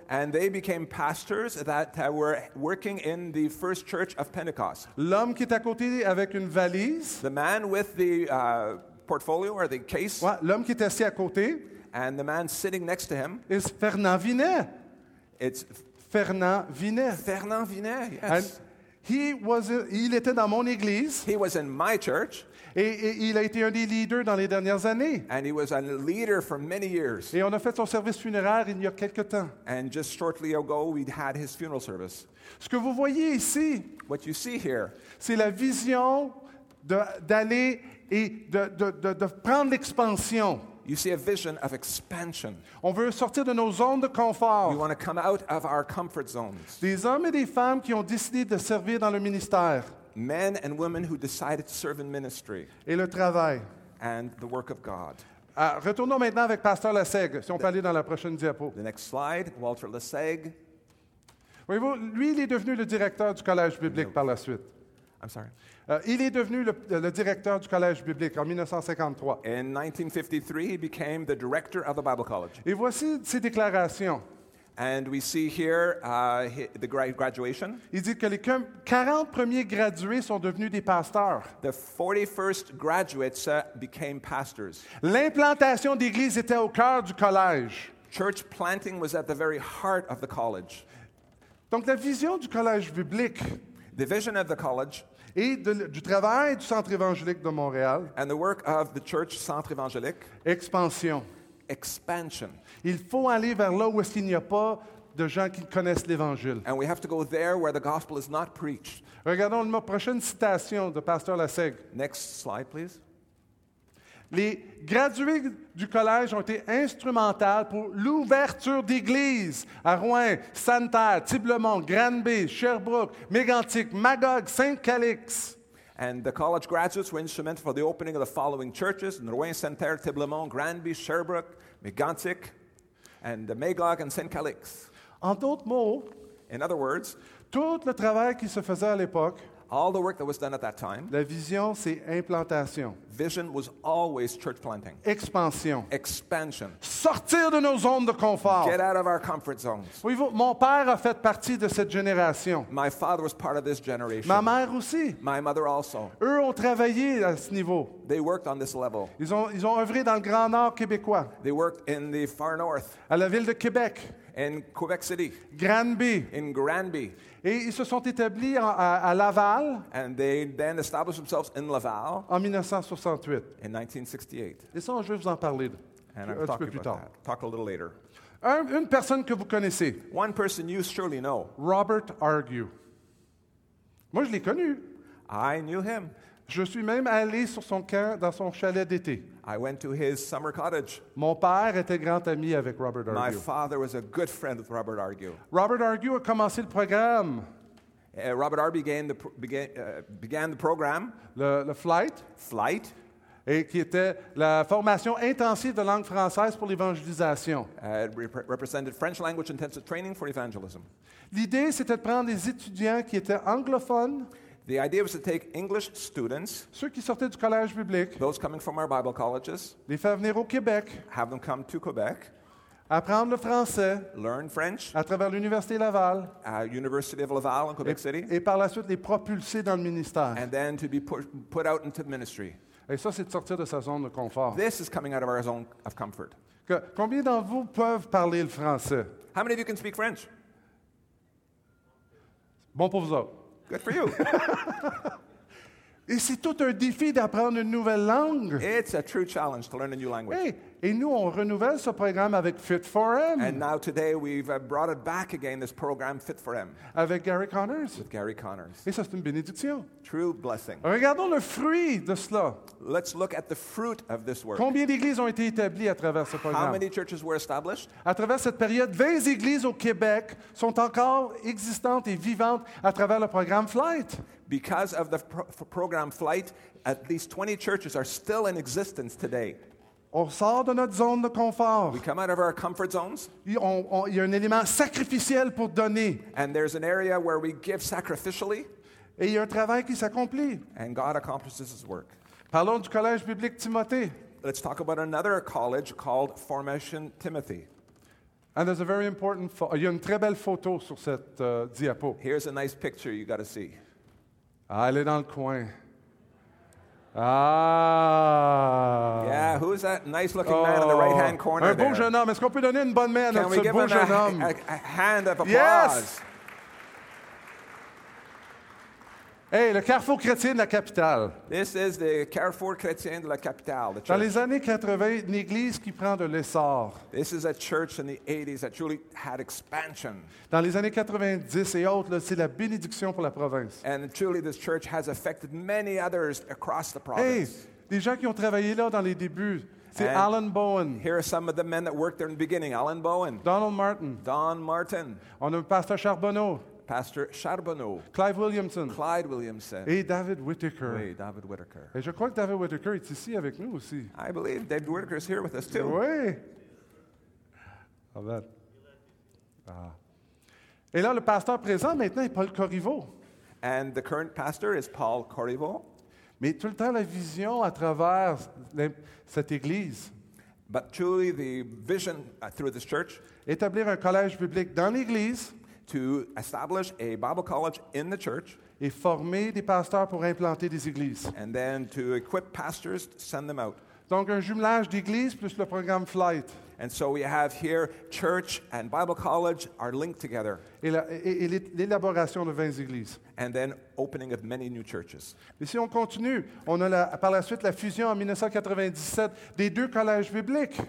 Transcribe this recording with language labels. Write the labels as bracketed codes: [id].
[en] And they became pastors that were working in the first church of Pentecost. [fr] L'homme qui est à côté avec une valise. [en] The man with the portfolio or the case. [fr] Ouais, l'homme qui est assis à côté. [en] And the man sitting next to him. Is Fernand Vinet. It's Fernand Vinet. Fernand Vinet, yes. [fr] And il était dans mon église. [en] He was in my church. [fr] Et il a été un des leaders dans les dernières années. [en] And he was a leader for many years. [fr] Et on a fait son service funéraire il y a quelque temps. [en] And just shortly ago, we had his funeral service. [fr] Ce que vous voyez ici, [en] what you see here, [fr] c'est la vision d'aller et de prendre l'expansion. [en] You see a vision of expansion. [fr] On veut sortir de nos zones de confort. [en] We want to come out of our comfort zones. [fr] Des hommes et des femmes qui ont décidé de servir dans le ministère. [en] Men and women who decided to serve in ministry. [fr] Et le travail. [en] And the work of God. [fr] Retournons maintenant avec Pasteur Lesègue, si on peut aller dans la prochaine diapo. [en] The next slide, Walter Lesègue. [fr] Voyez-vous, lui, il est devenu le directeur du collège biblique par la suite. [en] I'm sorry. [fr] Il est devenu le directeur du collège biblique en 1953. [en] In 1953, he became the director of the Bible College. [fr] Et voici ses déclarations. [en] And we see here the graduation. [fr] Il dit que les 40 premiers gradués sont devenus des pasteurs. [en] The 41st graduates became pastors. [fr] L'implantation d'église était au cœur du collège. [en] Church planting was at the very heart of the college. [fr] Donc la vision du collège biblique. [en] The vision of the college. [fr] Et du travail du centre évangélique de Montréal. [en] And the work of the church centre évangélique. [fr] Expansion. [en] Expansion. [fr] Il faut aller vers là où est-ce qu'il n'y a pas de gens qui connaissent l'Évangile. [en] And we have to go there where the gospel is not preached. [fr] Regardons la prochaine citation de Pasteur Lesègue. [en] Next slide, please. [fr] Les gradués du collège ont été instrumentales pour l'ouverture d'églises à Rouyn, Sainte-Terre, Tiblemont, Granby, Sherbrooke, Mégantic, Magog, Saint-Calix. [en] And the college graduates were instrumental for the opening of the following churches: Rouyn, Sainte-Terre, Tiblemont, Granby, Sherbrooke, Mégantic, and the Magog and Saint-Calix. [fr] En d'autres mots, [en] in other words, [fr] tout le travail qui se faisait à l'époque, [en] all the work that was done at that time, [fr] la vision, c'est implantation. [en] Vision was always church planting. [fr] Expansion. [en] Expansion. [fr] Sortir de nos zones de confort. [en] Get out of our comfort zones. [fr] Voyez-vous, mon père a fait partie de cette génération. [en] My father was part of this generation. [fr] Ma mère aussi. [en] My mother also. [fr] Eux ont travaillé à ce niveau. [en] They worked on this level. [fr] Ils ont œuvré dans le Grand Nord québécois. [en] They worked in the far north. [fr] À la ville de Québec. [en] In Quebec City. [fr] Granby. [en] In Granby. [fr] Et ils se sont établis à Laval. [en] And they then established themselves in Laval. [fr] En 1968. [en] In 1968. [fr] Et ça, je vais vous en parler and un petit peu plus tard. [en] That. Talk a little later. [fr] Une personne que vous connaissez. [en] One person you surely know. [fr] Robert Argue. Moi, je l'ai connu. [en] I knew him. [fr] Je suis même allé sur son camp dans son chalet d'été. [en] I went to his summer cottage. [fr] Mon père était grand ami avec Robert Argue. [en] My father was a good friend with Robert Argue. [fr] Robert Argue a commencé le programme. [en] Robert Argue began the program. [fr] Le flight. [en] Flight. [fr] Et qui était la formation intensive de langue française pour l'évangélisation. [en] Represented French language intensive training for evangelism. [fr] L'idée, c'était de prendre des étudiants qui étaient anglophones. [en] The idea was to take English students, [fr] ceux qui sortaient du collège biblique, [en] those coming from our Bible colleges, [fr] les faire venir au Québec, [en] have them come to Quebec, [fr] apprendre le français, [en] learn French, [fr] à travers l'Université Laval, [en] University of Laval in Quebec City, [fr] et par la suite les propulser dans le ministère. [en] And then to be put out into the ministry. [fr] Et ça, c'est de sortir de sa zone de confort. [en] This is coming out of our zone of comfort. [fr] Combien d'entre vous peuvent parler le français? [en] How many of you can speak French? [fr] Bon pour vous autres. [en] Good for you. [fr] Et c'est tout un défi d'apprendre une nouvelle langue. [en] It's a true challenge to learn a new language. Hey, [fr] Et nous, on renouvelle ce programme avec Fit for M. [en] And now today, we've brought it back again, this program Fit for M. [fr] Avec Gary Connors. [en] With Gary Connors. [fr] Et ça, c'est une bénédiction. [en] True blessing. [fr] Regardons le fruit de cela. [en] Let's look at the fruit of this work. [fr] Combien d'églises ont été établies à travers ce programme? [en] How many churches were established? [fr] À travers cette période, 20 églises au Québec sont encore existantes et vivantes à travers le programme Flight. [en] Because of the program Flight, at least 20 churches are still in existence today. [fr] On sort de notre zone de confort. [en] We come out of our comfort zones. [fr] Il y a un élément sacrificiel pour donner. [en] And there's an area where we give sacrificially. [fr] Et il y a un travail qui s'accomplit. [en] And God accomplishes his work. [fr] Parlons du collège biblique Timothée. [en] Let's talk about another college called Formation Timothy. And there's a very important [fr] il y a une très belle photo sur cette diapo. [en] Here's a nice picture you got to see. [fr] Ah, elle est dans le coin. Ah! [en] Yeah, who's that nice-looking man in the right-hand corner [fr] un beau [en] there? [fr] Jeune homme. Est-ce qu'on peut donner une bonne main à ce beau jeune homme? [en] Can we give him a hand of applause? Yes! [fr] Hey, le Carrefour chrétien de la capitale. [en] This is the Carrefour chrétien de la capitale, the church. [fr] Dans les années 80, une église qui prend de l'essor. [en] This is a church in the 80s that truly had expansion. [fr] Dans les années 90 et autres, là, c'est la bénédiction pour la province. [en] And truly, this church has affected many others across the province. [fr] Hey, des gens qui ont travaillé là dans les débuts. C'est Alan Bowen. [en] Here are some of the men that worked there in the beginning. Alan Bowen. [fr] Donald Martin. [en] Don Martin. [fr] On a Pasteur Charbonneau. [en] Pastor Charbonneau. [fr] Clive Williamson. [en] Clyde Williamson. [fr] Et David Whittaker. Oui, David Whittaker. Et je crois que David Whittaker est ici avec nous aussi. [en] I believe David Whittaker is here with us too. [fr] Oui. Amen. Ah. Et là, le pasteur présent maintenant est Paul Corriveau. [en] And the current pastor is Paul Corriveau. [fr] Mais tout le temps, la vision à travers cette église. [en] But truly, the vision through this church. [fr] Établir un collège biblique dans l'église. [en] To establish a Bible college in the church, [fr] et former des pasteurs pour implanter des églises, [en] and then to equip pastors to send them out. [fr] Donc un jumelage d'église plus le programme Flight. [en] And so we have here church and Bible college are linked together. [fr] Et l'élaboration de 20 églises. [en] And then opening of many new churches. [fr] Et si on continue, on a par la suite la fusion en 1997 des deux collèges bibliques.